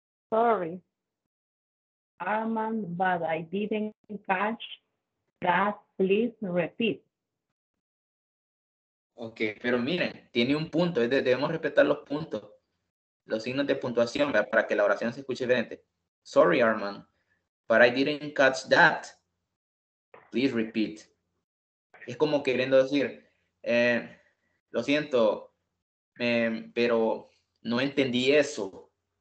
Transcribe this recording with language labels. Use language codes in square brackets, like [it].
[en] Sorry, Armand, but I didn't catch that. Please repeat. [es] Ok, pero miren, tiene un punto. Debemos respetar los puntos. Los signos de puntuación, ¿verdad? Para que la oración se escuche diferente. [en] Sorry, Armand, but I didn't catch that. Please repeat. [es] Es como queriendo decir, lo siento, pero no entendí eso.